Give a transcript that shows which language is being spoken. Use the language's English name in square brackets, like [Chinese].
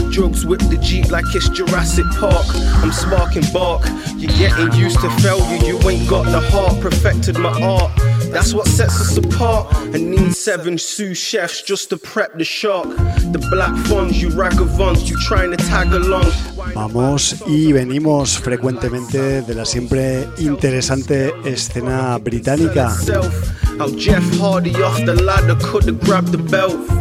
[English] Drugs whip the Jeep like it's Jurassic Park. I'm sparking bark. You're getting used to failure. You ain't got the heart. Perfected my art. That's what sets us apart. I need seven sous chefs just to prep the shark. The black funds, you ragavons, you trying to tag along. [Spanish] Vamos y venimos frecuentemente de la siempre interesante escena británica. [English] I'll Jeff Hardy off the ladder, could have grabbed the belt.